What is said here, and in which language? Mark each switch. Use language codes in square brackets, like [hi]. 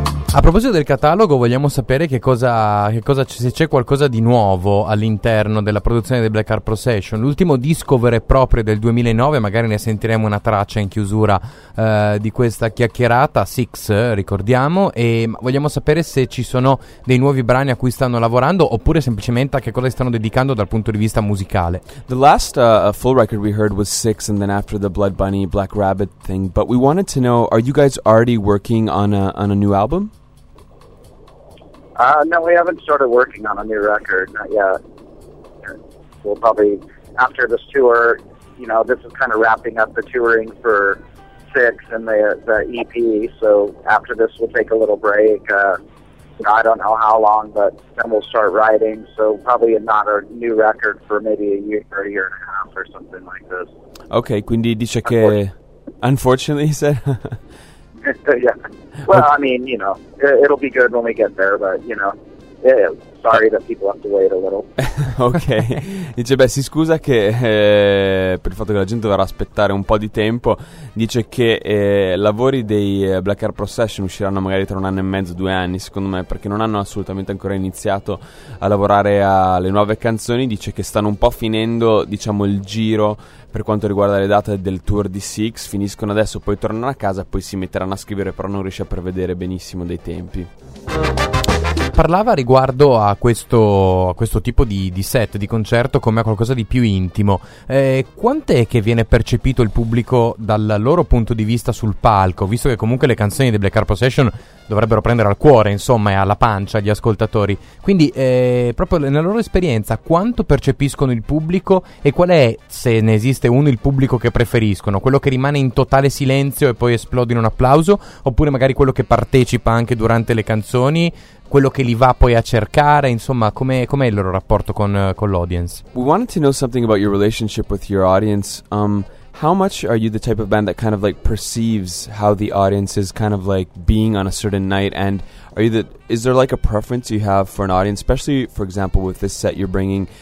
[it] A proposito del catalogo, vogliamo sapere che cosa se c'è qualcosa di nuovo all'interno della produzione dei Black Heart Procession. L'ultimo disco vero e proprio del 2009, magari ne sentiremo una traccia in chiusura di questa chiacchierata, Six, ricordiamo, e vogliamo sapere se ci sono dei nuovi brani a cui stanno lavorando oppure semplicemente a che cosa stanno dedicando dal punto di vista musicale. [en] The last full record we heard was Six, and then after the Blood Bunny Black Rabbit thing, but we wanted to know, are you guys already working on a new album? No, we haven't started working on a new record, not yet. We'll probably, after this tour, you know, this is kind of wrapping up the touring for Six and the EP, so after this we'll take a little break. I don't know how long, but then we'll start writing, so probably not a new record for maybe a year or a year and a half or something like this. [it] Okay, quindi dice che... [en] Unfortunately, he said... Yeah. Well, okay. I mean, you know, it'll be good when we get there, but, you know, sorry that people have to wait a little. Okay. [it] Dice, beh, si scusa che per il fatto che la gente dovrà aspettare un po' di tempo. Dice che lavori dei Black Heart Procession usciranno magari tra un anno e mezzo, due anni, secondo me, perché non hanno assolutamente ancora iniziato a lavorare alle nuove canzoni. Dice che stanno un po' finendo, diciamo, il giro per quanto riguarda le date del tour di Six. Finiscono adesso, poi tornano a casa, poi si metteranno a scrivere, però non riesce a prevedere benissimo dei tempi. parlava riguardo a questo tipo di set, di concerto, come a qualcosa di più intimo. Quant'è che viene percepito il pubblico dal loro punto di vista sul palco, visto che comunque le canzoni di Black Car Possession dovrebbero prendere al cuore, insomma, e alla pancia gli ascoltatori? Quindi, proprio nella loro esperienza, quanto percepiscono il pubblico e qual è, se ne esiste uno, il pubblico che preferiscono? Quello che rimane in totale silenzio e poi esplode in un applauso? Oppure magari quello che partecipa anche durante le canzoni? Quello che li va poi a cercare? Insomma, com'è il loro rapporto con l'audience? [en] We wanted to know something about your relationship with your audience. How much are you the type of band that kind of like perceives how the audience is kind of like being on a certain night? And is there like a preference you have for an audience, especially, for example, with this set you're bringing?